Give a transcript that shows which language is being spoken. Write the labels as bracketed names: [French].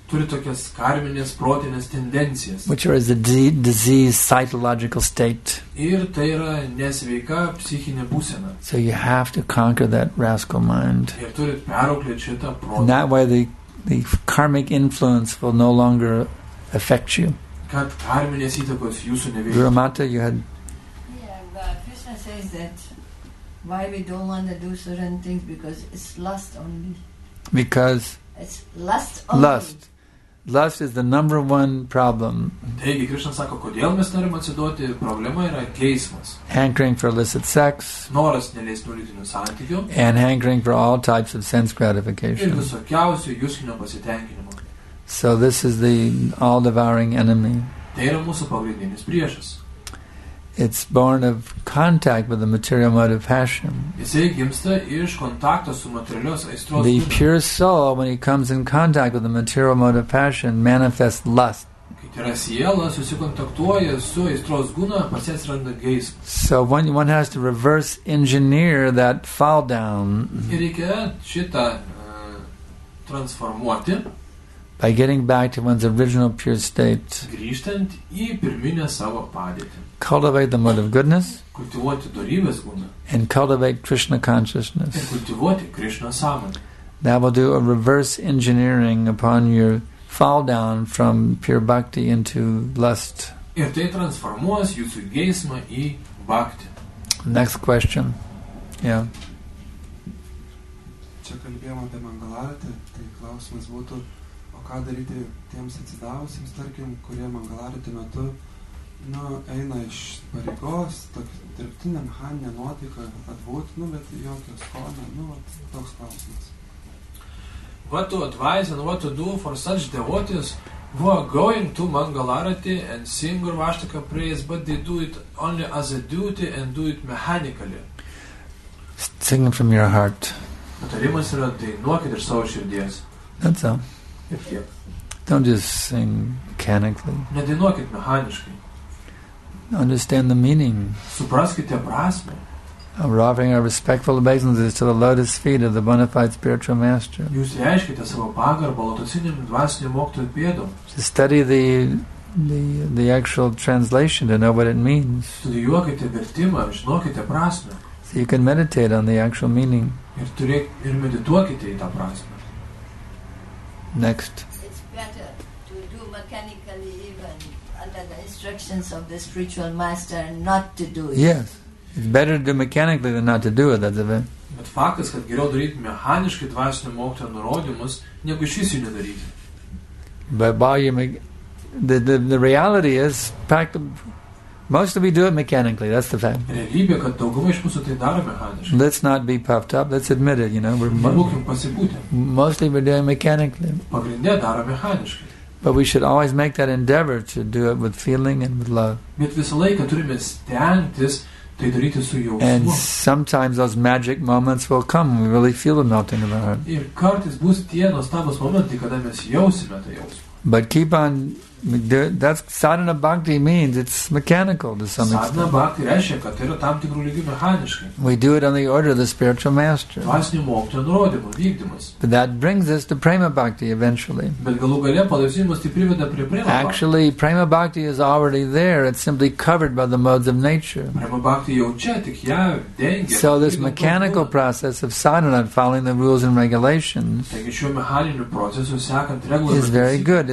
[Lithuanian] Turi tokias karminės protinės tendencijas. [English] Which are the disease psychological state. [Lithuanian] Ir tai yra nesveika psichinė būsena. [English] So you have to conquer that rascal mind. [Lithuanian] Ir turi perauklėti šitą protą. [English] And that way the karmic influence will no longer affect you. [Lithuanian] Kad karminės įtakos jūsų neveikia. [English] Guru Mata, you had... Yeah, but Krishna says that why we don't want to do certain things because it's lust only. Because... It's lust only. Lust is the number one problem. [Lithuanian] Taigi, Krishna sako, kodėl mes norim atsiduoti, problema yra geismas. [English] Hankering for illicit sex. [Lithuanian] Noras neleistų lytinių santykių. [English] And hankering for all types of sense gratification. [Lithuanian] Ir visokiausių juslinio pasitenkinimo. [English] So this is the all-devouring enemy. [Lithuanian] Tai yra mūsų pagrindinis priešas. [English] It's born of contact with the material mode of passion. [Lithuanian] Jisai gimsta iš kontakto su materialios aistros. [English] The pure soul, when he comes in contact with the material mode of passion, manifests lust. [Lithuanian] Kai tyra siela susikontaktuoja su aistros guna, pas jas randa geismą. [English] So one has to reverse engineer that fall down. [Lithuanian] Ir reikia šitą transformuoti. [English] By getting back to one's original pure state. [Lithuanian] Grįžtant į pirminę savo padėtį. [English] Cultivate the mode of goodness. [Lithuanian] Kultivuoti dorybės guną. [English] And cultivate Krishna consciousness. [Lithuanian] Ir kultivuoti Krishna sąmonę. [English] That will do a reverse engineering upon your fall down from pure bhakti into lust. [Lithuanian] Ir tai transformuos jūsų geismą į bhakti. [English] Next question. Yeah. [Lithuanian] Čia kalbėjom apie mangalartį, tai klausimas būtų, o ką daryti tiems atsidavusiems, tarkim, kurie mangalartį metu, nu, eina iš pareigos, tokia dirbtinė, mechaninė nuotaika, atbūt, nu, bet jokio skonio, nu, toks klausimas. [English] What to advise and what to do for such devotees who are going to Mangalarati and sing Gurvashtaka praise, but they do it only as a duty and do it mechanically? Singing from your heart. [Lithuanian] Patarimas yra dainuokit ir savo širdies. [English] That's all. Don't just sing mechanically. [Lithuanian] Nedainuokit mechaniškai. [English] Understand the meaning. [Lithuanian] Supraskite prasmę. [English] We're offering our respectful obeisances to the lotus feet of the bona fide spiritual master. [Lithuanian] Jūs reiškite savo pagarbą lotosiniam dvasiniam mokytojui pėdom. [English] To study the actual translation to know what it means. [Lithuanian] Studijuokite vertimą, žinokite prasmę. [English] So you can meditate on the actual meaning. [Lithuanian] Ir medituokite į tą prasmę. [English] Next. It's better to do mechanically even under the instructions of the spiritual master and not to do it. Yes. It's better to do mechanically than not to do it, that's a bit. [Lithuanian] Bet faktas, kad geriau daryti mechaniškai dvasinio mokytojo nurodymus, negu iš jis jų nedaryti. [English] But the reality is, mostly we do it mechanically, that's the fact. [Lithuanian] Realybė, kad dauguma iš mūsų tai daro mechaniškai. [English] Let's not be puffed up, let's admit it, you know. [Lithuanian] Nebūkim pasipūtę. [English] Mostly we're doing mechanically. [Lithuanian] Pagrindė daro mechaniškai. [English] But we should always make that endeavor to do it with feeling and with love. [Lithuanian] Bet visą laiką turime stengtis, tai daryti su jausmu. [English] And sometimes those magic moments will come. We really feel the melting of our heart. [Lithuanian] Ir kartais bus tie nuostabūs momentai, kada mes jausime tą jausmą. [English] But keep on, that's sadhana bhakti means it's mechanical to some extent. [Lithuanian] Sadhana bhakti reiškia, kad tai yra tam tikrų lygių mechaniškai. [English] We do it on the order of the spiritual master. [Lithuanian] Dvasinių mokytojų nurodymų vykdymas. [English] But that brings us to prema bhakti eventually. [Lithuanian] Bet galų gale palaipsniui tai priveda prie prema bhakti. [English] Actually, prema bhakti is already there. It's simply covered by the modes of nature. [Lithuanian] Prema bhakti jau čia, tik ją dengia. [English] So this mechanical process of sadhana following the rules and regulations is very good.